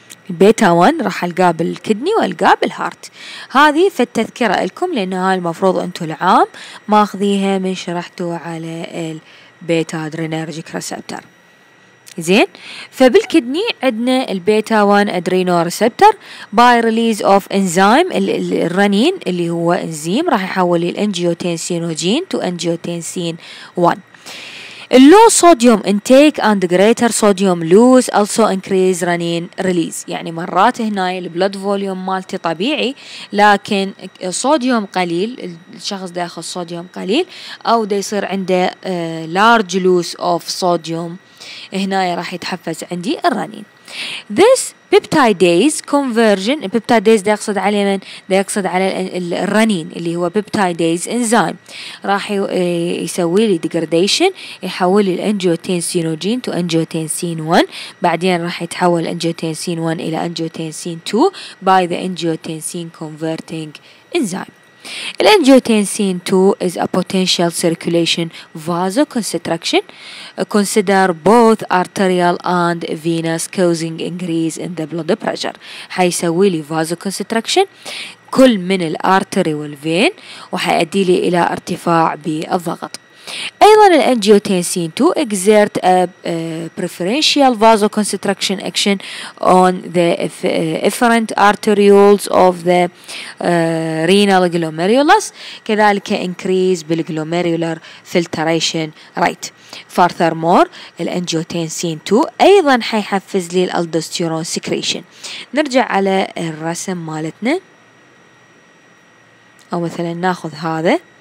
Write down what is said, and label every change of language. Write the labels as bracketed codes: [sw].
[ar] البيتا 1 راح القاه بالكدني والقاه بالهارت. هذه في التذكره لكم لان هاي المفروض انتم العام ما اخذيها من شرحتوا على البيتا ادرينرجيك ريسبتر زين. فبالكدني عندنا البيتا 1 ادرينو ريسبتر باي ريليز اوف انزيم الرنين اللي هو انزيم راح يحول الانجيوتنسينوجين تو انجيوتنسين 1. [en] Low sodium intake and greater sodium loss also increase renin release. [ar] يعني مرات هنا البلد فوليوم مالتي طبيعي لكن صوديوم قليل، الشخص داخل صوديوم قليل أو دا يصير عنده [en] large loss of sodium، [ar] هنا راح يتحفز عندي الرنين. [en] This peptidase conversion، [ar] peptidase ده يقصد على من؟ ده يقصد على الرنين اللي هو peptidase enzyme راح يسوي لي degradation، يحول الانجيوتنسينوجين to angiotensin 1، بعدين راح يتحول الانجيوتنسين 1 إلى angiotensin 2 [en] by the angiotensin converting enzyme. الانجيوتنسين 2 is a potential circulation vasoconstriction consider both arterial and venous causing increase in the blood pressure. [ar] حيسوي لي [en] vasoconstriction [ar] كل من الأرتري والفين وحيؤدي لي إلى ارتفاع بالضغط. [en] أيضا الأنجيوتنسين 2 exert a preferential vasoconstriction action on the efferent arterioles of the renal glomerulus, كذلك increase بالglomerular filtration rate. [ar] Furthermore, الأنجيوتنسين 2 أيضا حيحفز لي الألدوستيرون secretion. نرجع على الرسم مالتنا, أو مثلا ناخذ هذا.